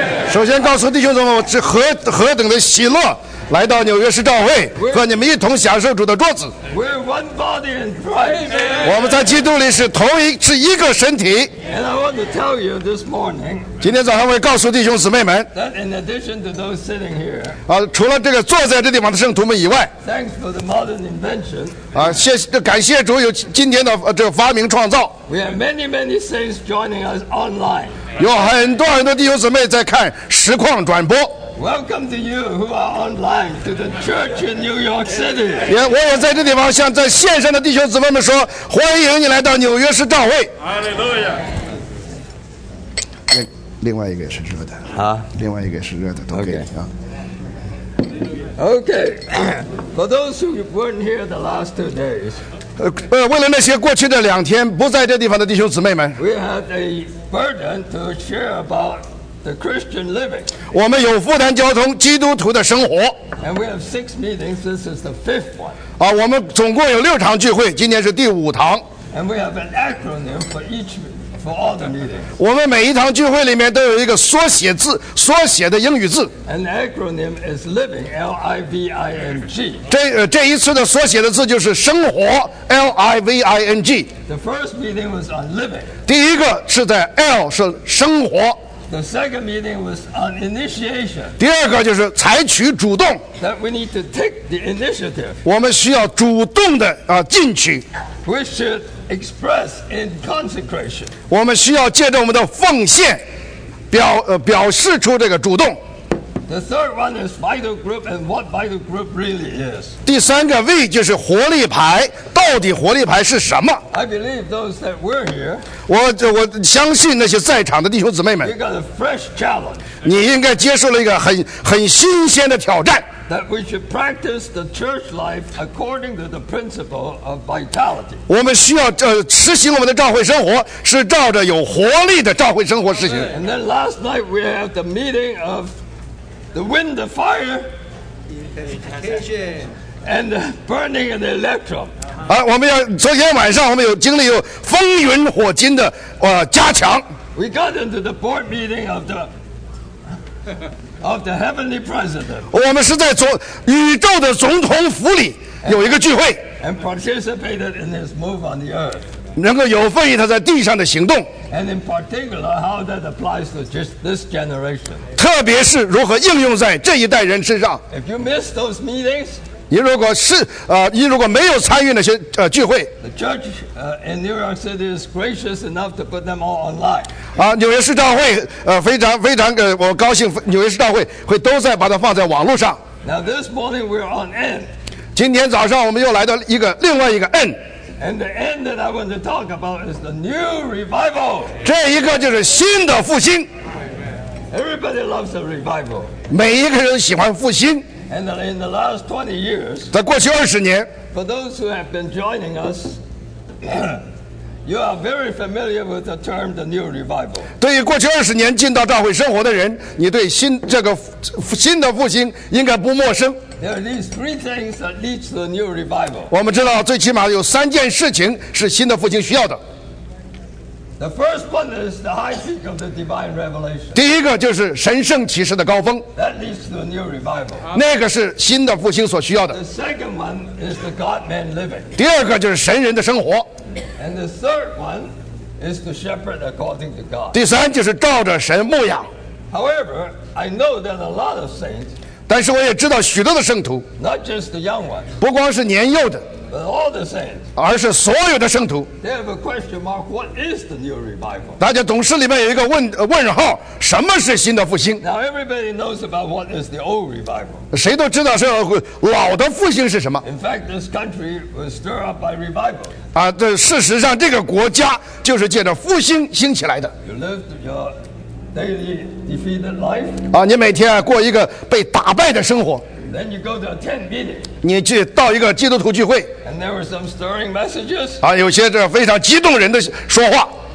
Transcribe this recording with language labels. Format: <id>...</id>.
<zh>首先告诉弟兄们，是何等的喜乐，来到纽约市教会，和你们一同享受主的桌子。</zh> <en>We're one body in Christ.</en> <zh>我们在基督里是同一，是一个身体。</zh> <en>And I want to tell you this morning.</en> <zh>今天早上我告诉弟兄姊妹们。</zh> <en>That in addition to those sitting here.</en> <zh>除了这个坐在这地方的圣徒们以外。</zh> <en>Thanks for the modern invention.</en> <zh>感谢主有今天的这个发明创造。</zh> <en>We have many, many saints joining us online.</en> <zh>有很多很多弟兄姊妹在看实况转播。</zh> <en>Welcome to you who are online to the church in New York City.</en> <zh>我也在这地方向在线上的弟兄姊妹们说，欢迎你来到纽约市教会。</zh> <en>Hallelujah.</en> <zh>另外一个也是热的。另外一个也是热的，都可以。</zh> <en>Okay. For those who weren't here the last 2 days.</en> <zh>为了那些过去的两天不在这地方的弟兄姊妹们。</zh> <en>We had a burden to share about. The Christian living.</en> <zh>我们有负担交通基督徒的生活。</zh> <en>And we have 6 meetings. This is the 5th one.</en> <zh>我们总共有6场聚会，今天是第5堂。</zh> <en>And we have an acronym for each for all the meetings.</en> <zh>我们每一堂聚会里面都有一个缩写字，缩写的英语字。</zh> <en>An acronym is living, L-I-V-I-N-G.</en> <zh>这一次的缩写的字就是生活 ，L-I-V-I-N-G.</zh> <en>The first meeting was on living.</en> <zh>第一个是在 L 是生活。</zh> <en>The second meeting was on initiation.</en> <zh>第二个就是采取主动。</zh> <en>That we need to take the initiative.</en> <zh>我们需要主动的进取。</zh> <en>We should express in consecration.</en> <zh>我们需要借着我们的奉献表示出这个主动。</zh> <en>The third one is vital group and what vital group really is.</en> <zh>第三个 V 就是活力牌，到底活力牌是什么？</zh> <en>I believe those that were here.</en> <zh>我相信那些在场的弟兄姊妹们。</zh> <en>You got a fresh challenge.</en> <zh>你应该接受了一个很新鲜的挑战。</zh> <en>That we should practice the church life according to the principle of vitality.</en> <zh>我们需要实行我们的教会生活，是照着有活力的教会生活实行。</zh> <en>And then last night we have the meeting of. The wind, the fire, and the burning of the electrum.</en> <zh>我们要昨天晚上我们有经历有风云火金的加强。</zh> <en>We got into the board meeting of the heavenly president.</en> <zh>我们是在宇宙的总统府里有一个聚会。</zh> <en>And participated in his move on the earth.</en> <zh>能够有份于他在地上的行动</zh> <en>and in particular, how that applies to just this generation.</en> <zh>特别是如何应用在这一代人身上</zh> <en>If you miss those meetings,</en> <zh>你如果没有参与那些聚会</zh> <en>The church in New York City is gracious enough to put them all online.</en> <zh>纽约市教会非常非常我高兴纽约市教会会都在把它放在网络上</zh> <en>Now this morning we're on N.</en> <zh>今天早上我们又来到另外一个 N.</zh> <en>And the end that I want to talk about is the new revival.</en> <zh>这一个就是新的复兴。</zh> <en>Everybody loves a revival.</en> <zh>每一个人喜欢复兴。</zh> <en>And in the last 20 years,</en> <zh>在过去20年</zh> <en>for those who have been joining us, you are very familiar with the term the new revival.</en> <zh>对于过去20年进到教会生活的人，你对新的复兴应该不陌生。</zh> <en>There are these 3 things that lead to the new revival.</en> <zh>我们知道最起码有三件事情是新的复兴需要的。</zh> <en>The first one is the high peak of the divine revelation.</en> <zh>第一个就是神圣启示的高峰。</zh> <en>That leads to the new revival.</en> <zh>那个是新的复兴所需要的。</zh> <en>The second one is the God-man living.</en> <zh>第二个就是神人的生活。</zh> <en>And the third one is the shepherd according to God.</en> <zh>第三就是照着神牧养。</zh> <en>However, I know that a lot of saints...</en> <zh>但是我也知道许多的圣徒</zh> <en>Not just the young ones,</en> <zh>不光是年幼的</zh> <en>but all the saints,</en> <zh>而是所有的圣徒</zh> <en>they have a question mark, what is the new revival?</en> <zh>大家懂事里面有一个 问号什么是新的复兴</zh> <en>Now everybody knows about what is the old revival.</en> <zh>谁都知道是老的复兴是什么</zh> <en>In fact, this country was stirred up by revival.</en> <zh>事实上这个国家就是借着复兴兴起来的</zh> <en>You lived your... Daily defeated life.</en> <zh>你每天过一个被打败的生活。</zh> <en>Then you go to attend meetings.</en> <zh>你去到一个基督徒聚会。</zh> <en>And there were some stirring messages.</en> <zh>有些这非常激动人的说话。</zh>